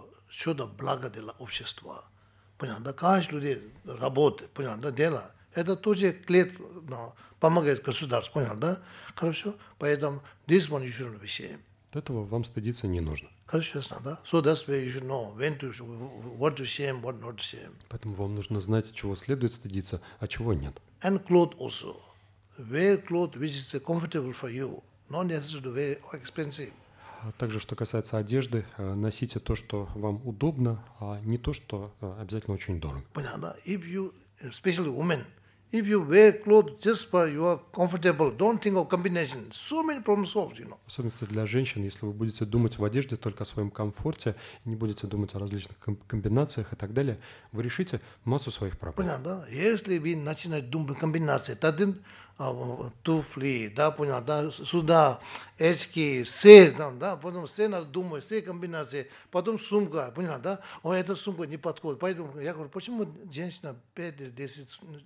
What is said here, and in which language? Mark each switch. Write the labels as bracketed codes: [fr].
[ru] Все это благо для общества. Понятно, да? Каждый люди работает, понятно, да? Дело. Это тоже клетка, но помогает государству, понятно, да? Хорошо? Поэтому [en] this one you shouldn't be ashamed. [ru] Этого вам стыдиться не нужно. Хорошо, ясно, да? [en] So that's where you should know when to, what to shame, what not to shame. [ru] Поэтому вам нужно знать, чего следует стыдиться, а чего нет. [en] And clothes also. Wear clothes which is comfortable for you. [ru] но не одежду, а экспенсии. Также, что касается одежды, носите то, что вам удобно, а не то, что обязательно очень дорого. Понятно. [en] If you, especially women, if you wear clothes just for you are comfortable, don't think of combination. So many problems solved, you know. [ru] Особенно для женщин, если вы будете думать в одежде только о своем комфорте, не будете думать о различных комбинациях и так далее, вы решите массу своих проблем. Понятно. Если вы начинаете думать о комбинации, тогда туфли, да, понял, да, сюда, очки, все, да, да, потом все надо думать, все комбинации, потом сумка, понял, да, о, эта сумка не подходит, поэтому я говорю, почему женщина 5 или 10